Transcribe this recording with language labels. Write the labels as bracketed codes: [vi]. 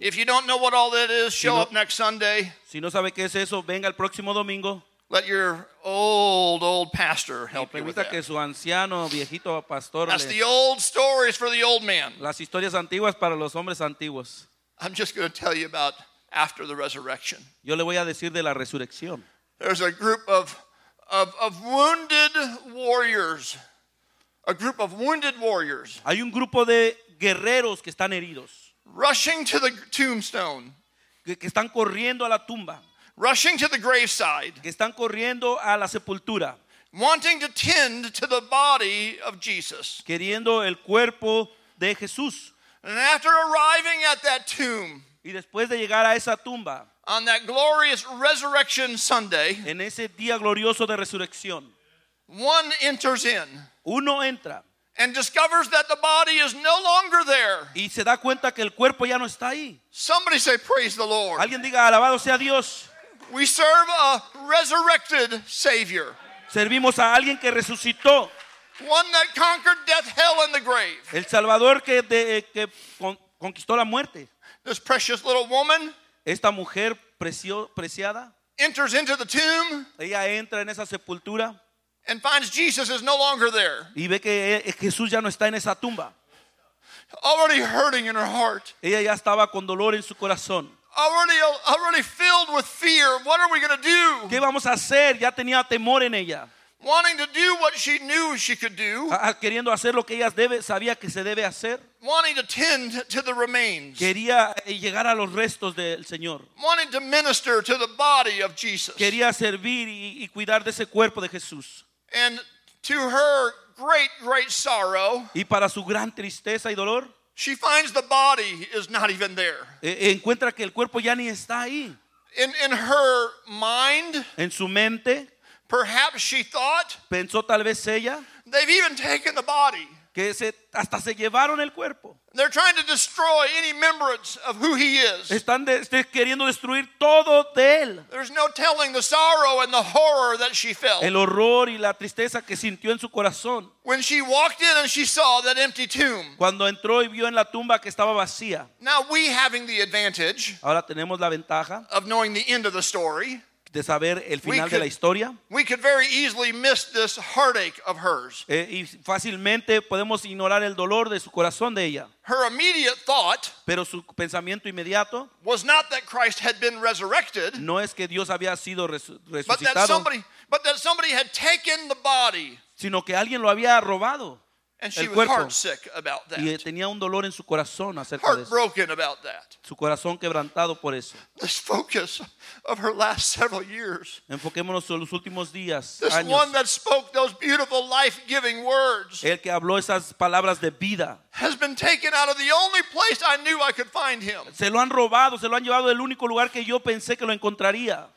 [en] If you don't know what all that is, show up next Sunday. [es] Si no sabe qué es eso, venga el próximo domingo. [en] Let your old pastor help you with that. [es] Que su anciano viejito pastor. [en] That's the old stories for the old man. [es] Las historias antiguas para los hombres antiguos. [en] I'm just going to tell you about after the resurrection. [es] Yo le voy a decir de la resurrección. [en] There's a group of wounded warriors. A group of wounded warriors. [es] Hay un grupo de guerreros que están heridos. [en] Rushing to the tombstone. [es] Que están corriendo a la tumba. [en] Rushing to the graveside. [es] Que están corriendo a la sepultura. [en] Wanting to tend to the body of Jesus. [es] Queriendo el cuerpo de Jesús. [en] And after arriving at that tomb. [es] Y después de llegar a esa tumba. [en] On that glorious resurrection Sunday. [es] En ese día glorioso de resurrección. [en] One enters in. [es] Uno entra. [en] And discovers that the body is no longer there. [es] Y se da cuenta que el cuerpo ya no está ahí. [en] Somebody say praise the Lord. [es] Alguien diga alabado sea Dios. [en] We serve a resurrected Savior. [es] Servimos a alguien que resucitó. [en] One that conquered death, hell, and the grave. [es] El Salvador que conquistó la muerte. [en] This precious little woman. [es] Esta mujer preciada. [en] Enters into the tomb. [es] Ella entra en esa sepultura. [en] And finds Jesus is no longer there. [es] Y ve que Jesús ya no está en esa tumba. [en] Already hurting in her heart. [es] Ella ya estaba con dolor en su corazón. [en] Already filled with fear. What are we going to do? [es] ¿Qué vamos a hacer? Ya tenía temor en ella. [en] Wanting to do what she knew she could do. [es] Queriendo hacer lo que ella sabía que se debe hacer. [en] Wanting to tend to the remains. [es] Quería llegar a los restos del Señor. [en] Wanting to minister to the body of Jesus. [es] Quería servir y cuidar de ese cuerpo de Jesús. [en] And to her great sorrow. [es] Y para su gran tristeza y dolor. [en] She finds the body is not even there. [es] Encuentra que el cuerpo ya ni está ahí. [en] In her mind. [es] En su mente. [en] Perhaps she thought. [es] Pensó tal vez ella. [en] They've even taken the body. [es] Que hasta se llevaron el cuerpo. [en] They're trying to destroy any remembrance of who he is. [es] Están queriendo destruir todo de él. [en] There's no telling the sorrow and the horror that she felt. [es] El horror y la tristeza que sintió en su corazón. [en] When she walked in and she saw that empty tomb. [es] Cuando entró y vio en la tumba que estaba vacía. [en] Now we having the advantage. [es] Ahora tenemos la ventaja. [en] Of knowing the end of the story. [es] De saber el final de la historia. [en] We could very easily miss this heartache of hers. [es] Y fácilmente podemos ignorar el dolor de su corazón de ella. [en] Her immediate thought. [es] Pero su pensamiento inmediato. [en] Was not that Christ had been resurrected. [es] No es que Dios había sido resucitado. [en] But that somebody had taken the body. [es] Sino que alguien lo había robado. [en] And she was heartsick about that. [es] Y tenía un dolor en su corazón acerca de eso. [en] Heartbroken about that. [es] Su corazón quebrantado por eso. [en] This focus of her last several years. [es] Enfoquémonos en los últimos días. [en] This [es] años. [en] One that spoke those beautiful life-giving words. [es] El que habló esas palabras de vida. [en] Has been taken out of the only place I knew I could find him. [es] Se lo han robado, se lo han llevado del único lugar que yo pensé que lo encontraría.